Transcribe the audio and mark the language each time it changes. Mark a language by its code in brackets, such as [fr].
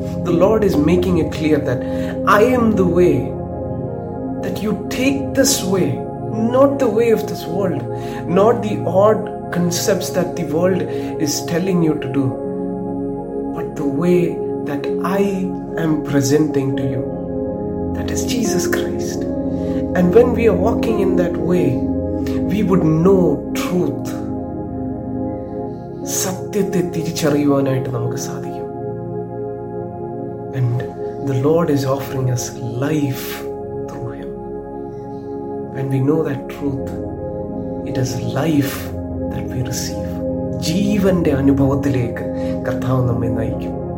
[en] The Lord is making it clear that I am the way, that you take this way, not the way of this world, not the odd concepts that the world is telling you to do, but the way that I am presenting to you, that is Jesus Christ. And when we are walking in that way, we would know truth. [ml] സത്യത്തെ തിരിച്ചറിയുവാനായിട്ട് നമുക്ക് സാധിക്കും. [en] And the Lord is offering us life through Him. When we know that truth, it is life that we receive. [ml] ജീവന്റെ അനുഭവത്തിലേക്ക് കർത്താവ് നമ്മെ നയിക്കും.